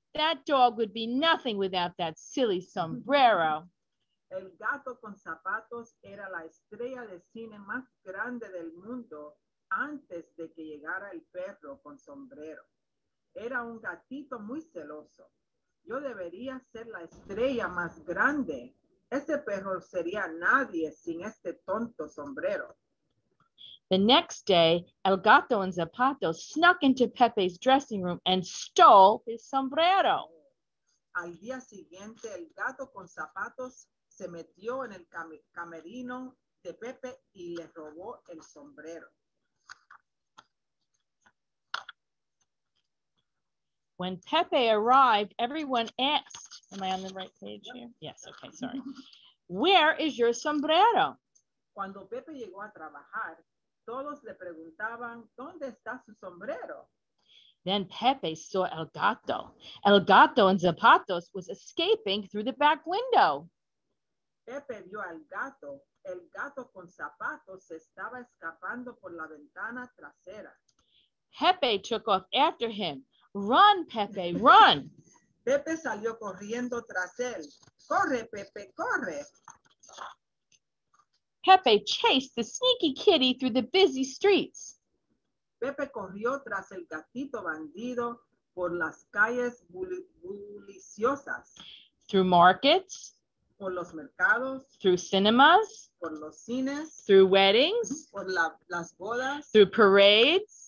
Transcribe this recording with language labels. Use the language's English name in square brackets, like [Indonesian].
[English] That dog would be nothing without that silly sombrero. [Spanish] El gato con zapatos era la estrella de cine más grande del mundo antes de que llegara el perro con sombrero. Era un gatito muy celoso. Yo debería ser la estrella más grande. Ese perro sería nadie sin este tonto sombrero. [English] The next day, El Gato and Zapato snuck into Pepe's dressing room and stole his sombrero. [Spanish] Al día siguiente, El Gato con Zapatos se metió en el camerino de Pepe y le robó el sombrero. [English] When Pepe arrived, everyone asked, am I on the right page here? Yes, okay, sorry. Where is your sombrero? [Spanish] Cuando Pepe llegó a trabajar, todos le preguntaban, ¿dónde está su sombrero? [English] Then Pepe saw El Gato. El Gato and Zapatos was escaping through the back window. [Spanish] Pepe vio al gato. El gato con zapatos estaba escapando por la ventana trasera. [English] Pepe took off after him. Run, Pepe, run. [Spanish] Pepe salió corriendo tras él. Corre, Pepe, corre. [English] Pepe chased the sneaky kitty through the busy streets. [Spanish] Pepe corrió tras el gatito bandido por las calles bulliciosas. [English] Through markets. [Spanish] Por los mercados. [English] Through cinemas. [Spanish] Por los cines. [English] Through weddings. [Spanish] Por las bodas. [English] Through parades.